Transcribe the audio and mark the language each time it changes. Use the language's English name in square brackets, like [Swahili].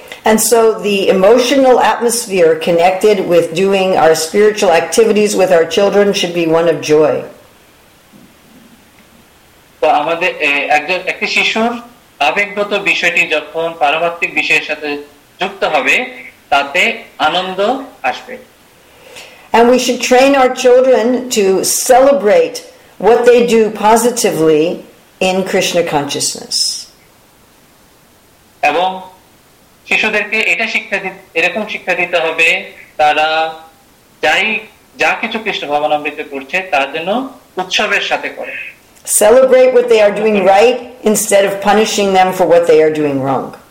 [English] And so the emotional atmosphere connected with doing our spiritual activities with our children should be one of joy. [Bangla] তো আমাদের একটি শিশুর আবেগগত বিষয়টি যখন পারমার্থিক বিষয়ের সাথে যুক্ত হবে তাতে আনন্দ আসবে. [English] And we should train our children to celebrate what they do positively in Krishna consciousness. [Bangla] এবং শিশুদেরকে এটা শিক্ষা দিতে এরকম শিক্ষা দিতে হবে তারা যাই যা কিছু কৃষ্ণ ভাবনামৃত করছে তার জন্য উৎসবের সাথে করে. [English] Celebrate what they are doing right instead of punishing them for what they are doing wrong.